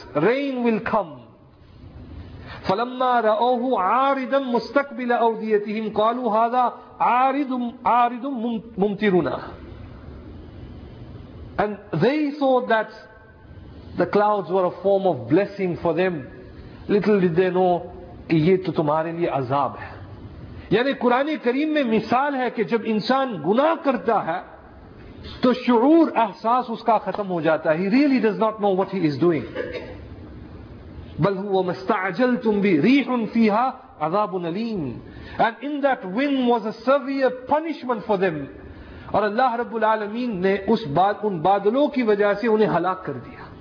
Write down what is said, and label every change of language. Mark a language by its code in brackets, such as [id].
[en] Rain will come. [ar] فَلَمَّا رَأَوْهُ عَارِدًا مُسْتَقْبِلَ أَوْدِيَتِهِمْ قَالُوا هَذَا عَارِدٌ مُمْتِرُنَا. [en] And they thought that the clouds were a form of blessing for them. Little did they know [ur] کہ یہ تو تمہارے لیے عذاب ہے. یعنی قرآن کریم میں مثال ہے کہ جب انسان گناہ کرتا ہے تو شعور احساس اس کا ختم ہو جاتا ہے. [en] He really does not know what he is doing. [ar] بل هو ما استعجلتم به ريح فيها عذاب اليم. [en] And in that wind was a severe punishment for them. [ur] اور اللہ رب العالمین نے ان بادلوں کی وجہ سے انہیں ہلاک کر دیا.